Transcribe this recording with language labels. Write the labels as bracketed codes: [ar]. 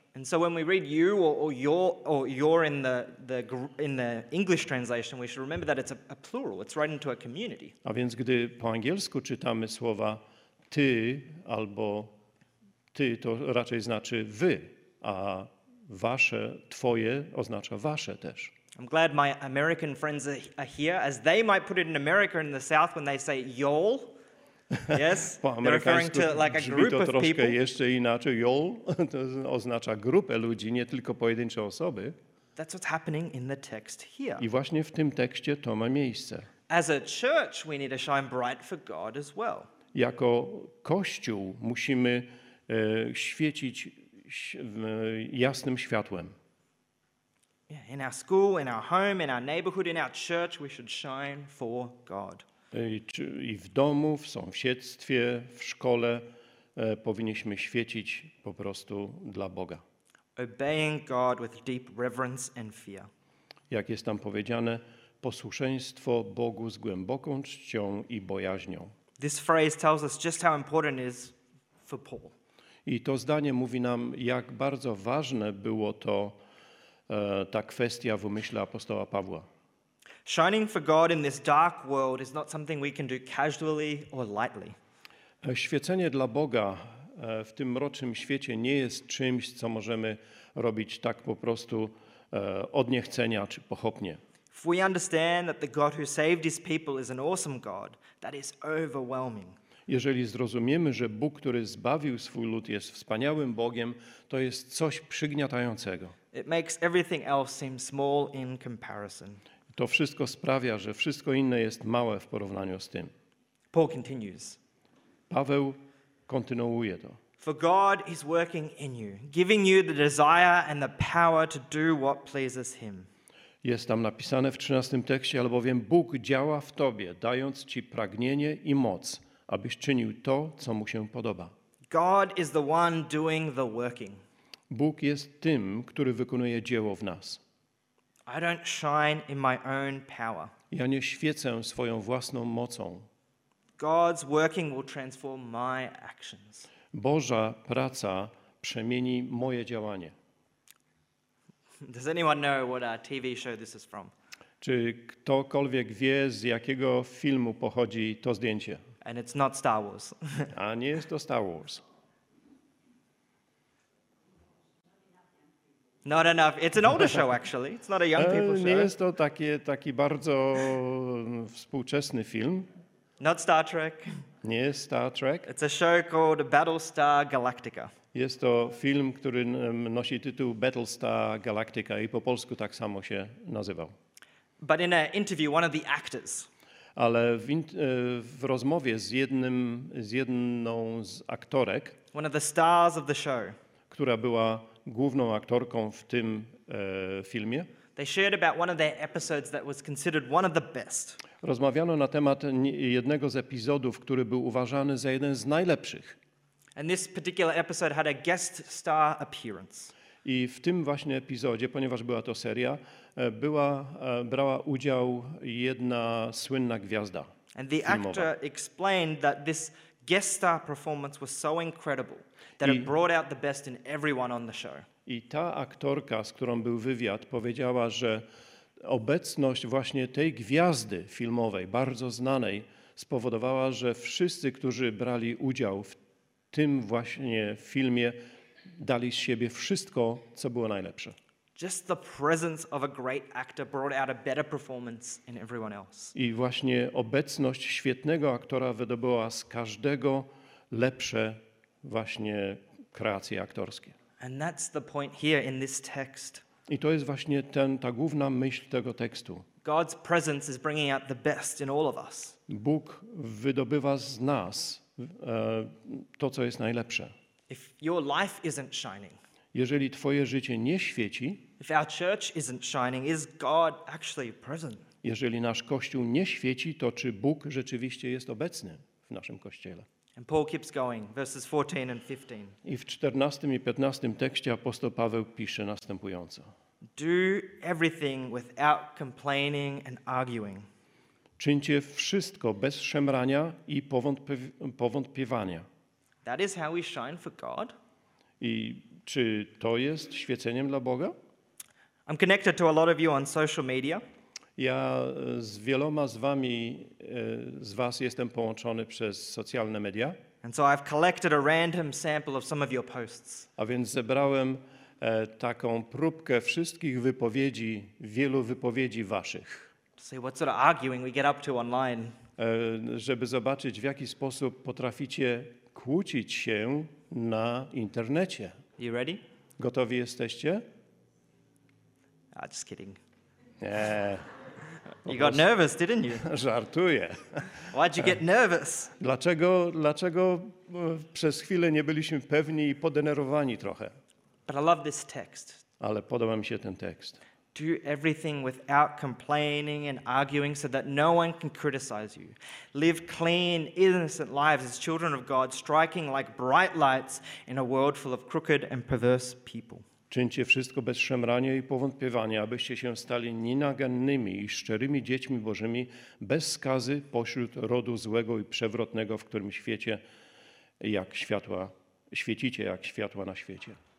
[en] And so when we read you or your in the English translation, we should remember that it's a plural. It's written to a community. [pl] A więc gdy po angielsku czytamy słowa ty albo ty, to raczej znaczy wy, a wasze, twoje oznacza wasze też. [en] I'm glad my American friends are here, as they might put it in America in the South when they say y'all. Yes, they're referring to like a group of people. [pl] Brzmi to troszkę jeszcze inaczej. Y'all to oznacza grupę ludzi, nie tylko pojedyncze osoby. [en] That's what's happening in the text here. [pl] I właśnie w tym tekście to ma miejsce. [en] As a church, we need to shine bright for God as well. [pl] Jako Kościół musimy świecić jasnym światłem. [en] Yeah, in our school, in our home, in our neighborhood, in our church, we should shine for God. [pl] I w domu, w sąsiedztwie, w szkole powinniśmy świecić po prostu dla Boga. [en] Obeying God with deep reverence and fear. [pl] Jak jest tam powiedziane, posłuszeństwo Bogu z głęboką czcią i bojaźnią. [en] This phrase tells us just how important it is for Paul. [pl] I to zdanie mówi nam, jak bardzo ważne było to, ta kwestia w umyśle apostoła Pawła. [en] Shining for God in this dark world is not something we can do casually or lightly. [pl] Świecenie dla Boga w tym mrocznym świecie nie jest czymś, co możemy robić tak po prostu od niechcenia czy pochopnie. [en] If we understand that the God who saved his people is an awesome God, that is overwhelming. [pl] Jeżeli zrozumiemy, że Bóg, który zbawił swój lud, jest wspaniałym Bogiem, to jest coś przygniatającego. [en] It makes everything else seem small in comparison. [pl] To wszystko sprawia, że wszystko inne jest małe w porównaniu z tym. [en] Paul continues. [pl] Paweł kontynuuje to. [en] For God is working in you, giving you the desire and the power to do what pleases him. [pl] Jest tam napisane w 13 tekście, albowiem Bóg działa w tobie, dając ci pragnienie i moc, abyś czynił to, co mu się podoba. [en] God is the one doing the working. [pl] Bóg jest tym, który wykonuje dzieło w nas. [en] I don't shine in my own power. [pl] Ja nie świecę swoją własną mocą. [en] God's working will transform my actions. [pl] Boża praca przemieni moje działanie. [en] Does anyone know what our TV show this is from? [pl] Czy ktokolwiek wie, z jakiego filmu pochodzi to zdjęcie? [en] And it's not Star Wars. [pl] A nie jest to Star Wars. [en] Not enough. It's an older show, actually. It's not a young people show. [pl] Nie jest to taki bardzo współczesny film. [en] Not Star Trek. [pl] Nie jest Star Trek. [en] It's a show called Battlestar Galactica. [pl] Jest to film, który nosi tytuł Battlestar Galactica i po polsku tak samo się nazywał. [en] But in an interview, one of the actors. [pl] Ale w rozmowie z jedną z aktorek. [en] One of the stars of the show. [pl] Która była główną aktorką w tym filmie. [en] They shared about one of their episodes that was considered one of the best. [pl] Rozmawiano na temat jednego z epizodów, który był uważany za jeden z najlepszych. [en] And this particular episode had a guest star appearance. [pl] I w tym właśnie epizodzie, ponieważ była to seria, brała udział jedna słynna gwiazda. [en] And the actor explained that this guest star performance was so incredible that it brought out the best in everyone on the show. [pl] I ta aktorka, z którą był wywiad, powiedziała, że obecność właśnie tej gwiazdy filmowej, bardzo znanej, spowodowała, że wszyscy, którzy brali udział w tym właśnie filmie, dali z siebie wszystko, co było najlepsze. [en] Just the presence of a great actor brought out a better performance in everyone else. [pl] I właśnie obecność świetnego aktora wydobyła z każdego lepsze właśnie kreacje aktorskie. [en] And that's the point here in this text. [pl] I to jest właśnie ta główna myśl tego tekstu. [en] God's presence is bringing out the best in all of us. [pl] Bóg wydobywa z nas to, co jest najlepsze. [en] If your life isn't shining, [pl] jeżeli twoje życie nie świeci, [en] if our church isn't shining, is God actually present? [pl] Jeżeli nasz kościół nie świeci, to czy Bóg rzeczywiście jest obecny w naszym kościele? [en] And Paul keeps going, verses 14 and 15. [pl] I w 14 i 15 tekście apostoł Paweł pisze następująco. [en] Do everything without complaining and arguing. [pl] Czyńcie wszystko bez szemrania i powątpiewania. [en] That is how we shine for God. [pl] I Czy to jest świeceniem dla Boga? [en] I'm connected to a lot of you on social media. [pl] Ja z wieloma z wami, z was jestem połączony przez socjalne media. [en] And so I've collected a random sample of some of your posts. [pl] A więc zebrałem taką próbkę wszystkich wypowiedzi, wielu wypowiedzi waszych. [en] To see what sort of arguing we get up to online. [pl] Żeby zobaczyć, w jaki sposób potraficie kłócić się na internecie. [en] You ready? [pl] Gotowi jesteście? [en] Ah, just kidding. [pl] Nie. [en] You got nervous, didn't you? [pl] Żartuję. [en] Why'd you get nervous? [pl] Dlaczego przez chwilę nie byliśmy pewni i podenerwowani trochę? [en] But I love this text. [pl] Ale podoba mi się ten tekst. [en] Do everything without complaining and arguing so that no one can criticize you. Live clean, innocent lives as children of God, striking like bright lights in a world full of crooked and perverse people. [pl] Czyńcie wszystko bez szemrania i powątpiewania, abyście się stali nienagannymi i szczerymi dziećmi Bożymi, bez skazy pośród rodu złego i przewrotnego, w którym świecie jak światła, świecicie jak światła na świecie.